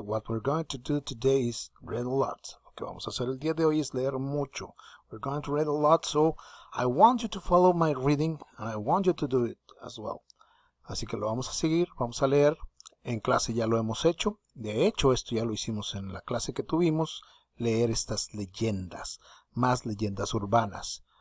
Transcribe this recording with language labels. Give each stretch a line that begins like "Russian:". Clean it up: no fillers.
English: What we're going to do today is read a lot.
Spanish: Lo que vamos a hacer el día de hoy es leer mucho.
English: We're going to read a lot, so I want you to follow my reading, and I want you to do it as well.
Spanish: Así que lo vamos a seguir, vamos a leer. En clase ya lo hemos hecho. De hecho, esto ya lo hicimos en la clase que tuvimos, leer estas leyendas, más leyendas urbanas.